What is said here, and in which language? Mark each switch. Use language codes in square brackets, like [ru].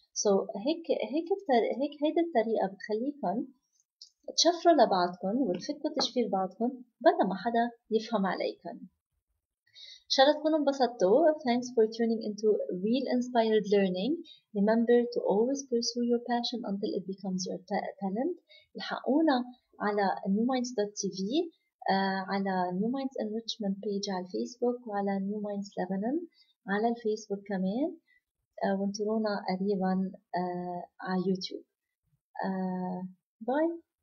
[ar] سو هيك هيدا الطريقة بتخليكم تشفروا لبعضكم وتفكوا تشفير بعضكم بلا ما حدا يفهم عليكم. إن شاء الله تكونوا انبسطتوا. [en] Thanks for tuning into Real Inspired Learning. Remember to always pursue your passion until it becomes your talent. [ar] الحقونا على newminds.tv، على New Minds Enrichment page على الفيسبوك، وعلى New Minds Lebanon على الفيسبوك كمان. وانترونا قريبا على يوتيوب. باي.